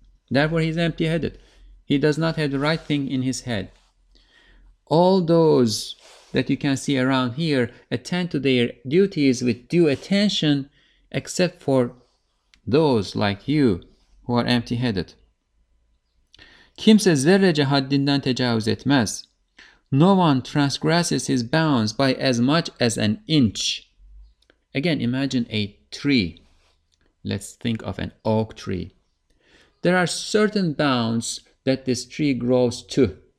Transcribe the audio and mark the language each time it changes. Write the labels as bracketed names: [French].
[English] Therefore, he's empty-headed. He does not have the right thing in his head. All those that you can see around here attend to their duties with due attention, except for those like you who are empty-headed. [Turkish] Kimse zerrece haddinden tecavüz etmez. [English] No one transgresses his bounds by as much as an inch. Again, imagine a tree. Let's think of an oak tree. There are certain bounds that this tree grows to.